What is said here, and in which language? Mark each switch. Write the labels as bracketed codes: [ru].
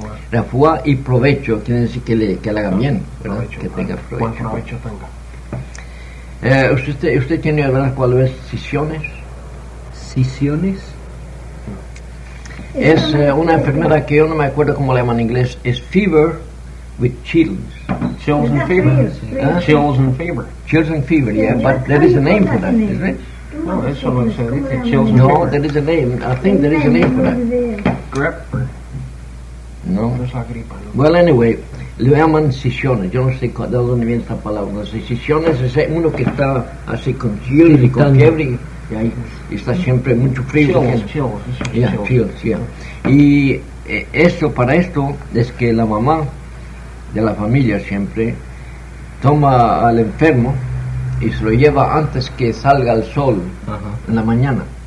[es] Refuá y provecho quiere decir que le haga bien, provecho, que tenga provecho. Cuánto provecho tenga. ¿Usted tiene alguna cual vez sisiones? ¿Sisiones? Es una enfermedad que yo no me acuerdo cómo le llaman en inglés. [en] Es fever with chills. Chills and fever. Chills and fever. Chills and fever, yeah, but there is a name for that, isn't it? [es] No, eso no se dice, [en] chills and fever. No, there is a name. I think there is a name for that. Grip. No. [es] No es la gripa, no. [en] Well, anyway. [es] Le llaman sesiones, yo no sé de dónde viene esta palabra. Sesiones es uno que está así con chills y con fiebre y ahí está siempre mucho frío. [en] Chills, [es] es [en] chills. Yeah. [es] Y esto, para esto, es que la mamá de la familia siempre toma al enfermo y se lo lleva antes que salga el sol en la mañana.